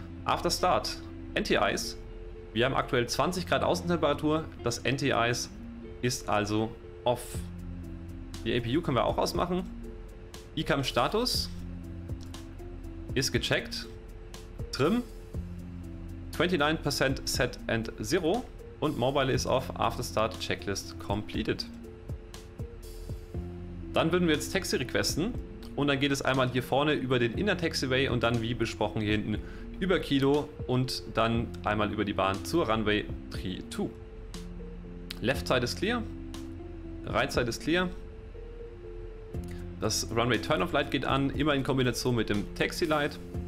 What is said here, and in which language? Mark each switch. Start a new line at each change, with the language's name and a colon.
English: After Start, NTIs.
German: Wir haben aktuell 20 Grad Außentemperatur, das NTIs ist also off. Die APU können wir auch ausmachen. ICAM Status ist gecheckt.
English: Trim, 29% set and 0. Und Mobile is off, After Start Checklist completed.
German: Dann würden wir jetzt Taxi requesten und dann geht es einmal hier vorne über den Inner Taxiway und dann wie besprochen hier hinten über Kilo und dann einmal über die Bahn zur Runway 32. Left Side ist clear, Right Side ist clear, das Runway Turnoff Light geht an, immer in Kombination mit dem Taxi Light.